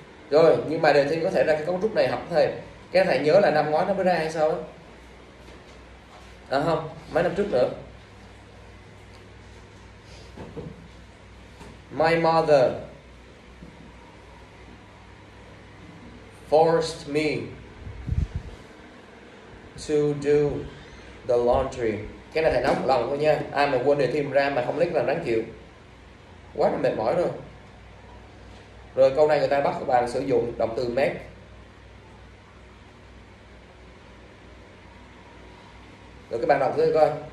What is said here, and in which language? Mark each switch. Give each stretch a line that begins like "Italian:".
Vietnamese: Rồi, nhưng mà đề thi có thể ra cái cấu trúc này học thêm. Cái thầy nhớ là năm ngoái nó mới ra hay sao á? À không, mấy năm trước nữa.
English: My mother forced me to do the laundry.
Vietnamese: Cái này thầy nói một lần thôi nha. Ai mà quên đề thi ra mà không lấy là đáng chịu. Quá là mệt mỏi rồi. Rồi câu này người ta bắt các bạn sử dụng động từ make. Rồi các bạn đọc thử coi.